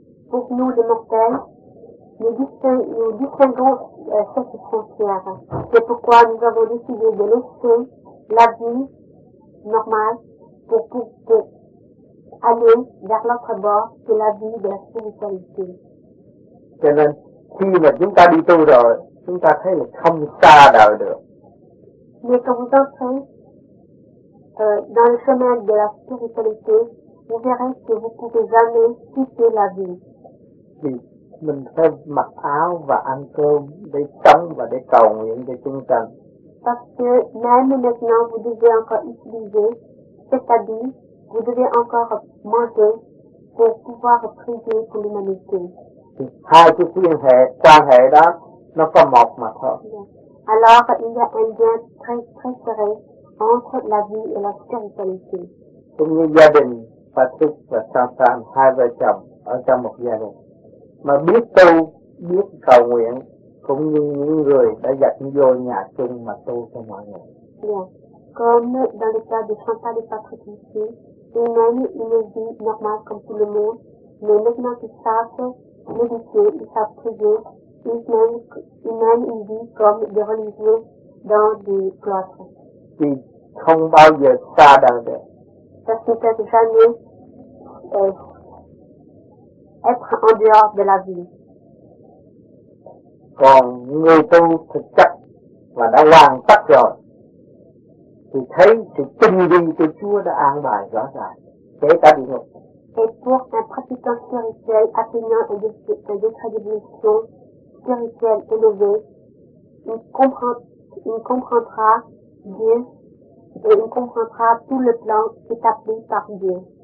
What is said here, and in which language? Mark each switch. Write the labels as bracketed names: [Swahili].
[French] Pour nous les mortels, nous distinguons cette frontière. C'est pourquoi nous avons décidé de laisser la vie normale pour aller vers l'autre bord de la vie de la spiritualité. [Vietnamese] Cho nên, khi mà chúng ta đi tu rồi, chúng ta thấy là không xa đời được. [French] Mais quand vous entrez dans le chemin de la spiritualité, vous verrez que vous ne pouvez jamais quitter la vie. Oui. [Vietnamese] Mình phải mặc áo và ăn cơm để sống và để cầu nguyện cho chúng sanh. [French] Parce que même maintenant vous devez encore utiliser cet habit, vous devez encore manger pour pouvoir prier pour l'humanité. [Vietnamese] Hai cái quan hệ đó nó có một mà thôi. Yeah. [French] Alors il y a un lien très serré entre la vie et la spiritualité. [Vietnamese] Cũng như gia đình Patrick và Santan hai vợ chồng ở trong một gia đình. Mà biết tu, biết cầu nguyện, cũng như những người đã dẫn vô nhà chung mà tu cho mọi người. [French] Comme dans le cas de Chantal et Patrick ici, ils mènent une vie normale comme tout le monde, mais maintenant qu'ils savent méditer, ils savent prier, ils mènent une vie comme des religieux dans des cloîtres. [Vietnamese] Thì không bao giờ xa đời được. [French] Parce que c'est jamais être en dehors de la vie. [Vietnamese] Còn người tu thực chất và đã hoàn tất rồi, thì thấy sự tinh vi của Chúa đã an bài rõ ràng, kể cả địa ngục. [French] Et pour un pratiquant spirituel atteignant un degré de dimension spirituelle élevé, il comprendra Dieu et il comprendra tout le plan établi par Dieu.